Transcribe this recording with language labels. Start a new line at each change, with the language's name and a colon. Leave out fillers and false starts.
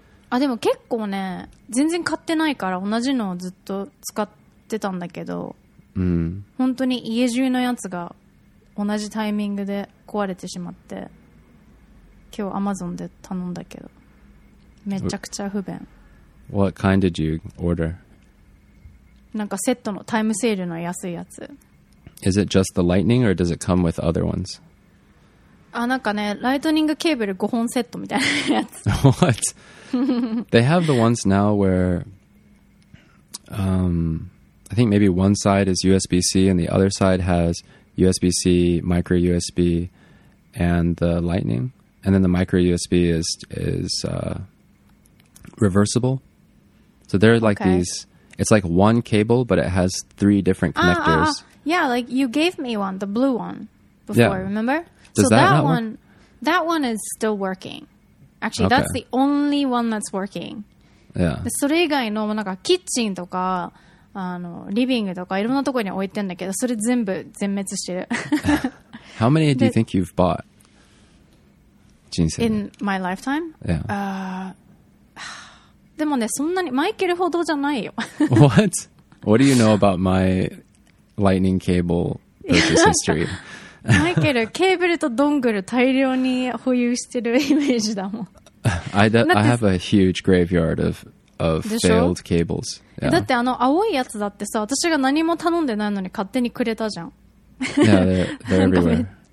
Japanese: あ、でも結構ね、全然買ってないから同じのをずっと使ってたんだけど、本当に家中のやつが同じタイミングで壊れてしまって。今日 Amazon で頼んだけどめちゃくちゃ不便。
English: What kind did you order?
Japanese: なんかセットのタイムセールの安いやつ。
English: Is it just the lightning or does it come with other ones?
Japanese: あ、なんかね、ライトニングケーブル5本セットみたいなやつ。
English: What? They have the ones now where I think maybe one side is USB-C and the other side has USB-C, micro USB and the lightning. And then the micro USB is reversible. So there are like these, it's like one cable, but it has three different connectors. Yeah, like you gave me one, the blue one before, remember? That one is still working. Actually, that's the only one that's working. Yeah.
Japanese: それ以外のなんかキッチンとかあのリビングとかいろんなところに置いてんだけど、それ全部全滅してる。
English: How many do you think you've bought? In my lifetime? Yeah.
Japanese: でもね、そんなにマイケルほどじゃないよ。
English: What? What do you know about my lightning cable purchase history?
Japanese: マイケル、ケーブルとドングル大量に保有してるイメージだもん。
English: I have a huge graveyard of failed cables. Yeah.
Japanese: だってあの青いやつだってさ、私が何も頼んでないのに勝手にくれたじゃん。
English: Yeah, they're everywhere.